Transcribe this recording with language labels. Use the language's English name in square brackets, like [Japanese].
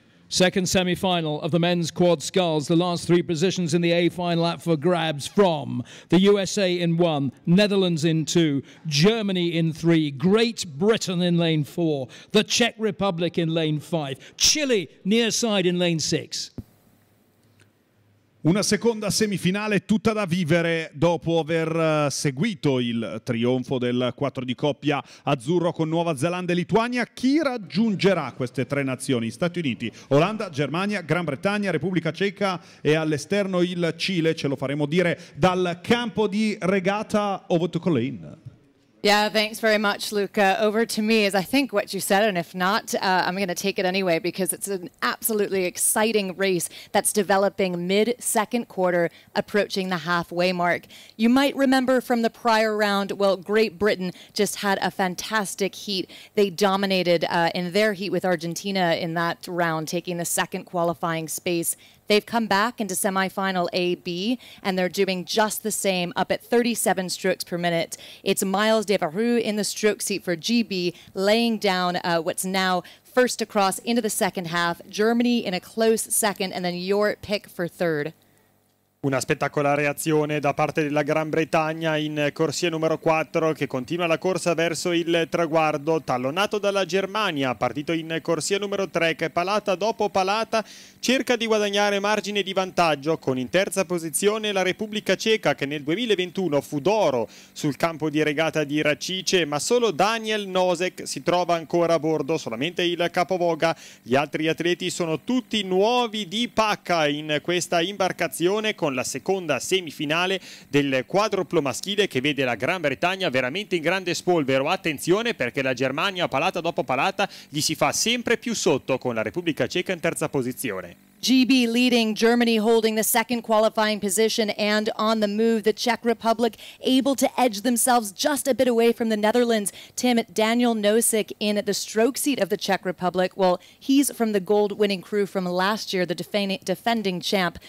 [English] Second semi-final of the men's quad skulls. The last three positions in the A final up for grabs from the USA in one, Netherlands in two, Germany in three, Great Britain in lane four, the Czech Republic in lane five, Chile near side in lane six. [Italian] Una seconda semifinale tutta da vivere dopo aver seguito il trionfo del quattro di coppia azzurro con Nuova Zelanda e Lituania. Chi raggiungerà queste tre nazioni? Stati Uniti, Olanda, Germania, Gran Bretagna, Repubblica Ceca e all'esterno il Cile. Ce lo faremo dire dal campo di regata [English] over to Colleen. Yeah, thanks very much, Luca. Over to me is, I think, what you said, and if not, I'm going to take it anyway because it's an absolutely exciting race that's developing mid-second quarter, approaching the halfway mark. You might remember from the prior round, well, Great Britain just had a fantastic heat. They dominated in their heat with Argentina in that round, taking the second qualifying space. They've come back into semifinal AB, and they're doing just the same, up at 37 strokes per minute. It's Miles Devereux in the stroke seat for GB, laying down what's now first across into the second half, Germany in a close second, and then your pick for third. [Italian] Una spettacolare azione da parte della Gran Bretagna in corsia numero 4 che continua la corsa verso il traguardo, tallonato dalla Germania, partito in corsia numero 3 che palata dopo palata cerca di guadagnare margine di vantaggio, con in terza posizione la Repubblica Ceca che nel 2021 fu d'oro sul campo di regata di Racice, ma solo Daniel Nosek si trova ancora a bordo, solamente il capovoga, gli altri atleti sono tutti nuovi di pacca in questa imbarcazione con la seconda semifinale del quadruplo maschile che vede la Gran Bretagna veramente in grande spolvero. Attenzione perché la Germania, palata dopo palata, gli si fa sempre più sotto con la Repubblica Ceca in terza posizione. [English] GB leading, Germany holding the second qualifying position and on the move. The Czech Republic able to edge themselves just a bit away from the Netherlands. Tim, Daniel Nosek in at the stroke seat of the Czech Republic. Well, he's from the gold-winning crew from last year, the defending champ.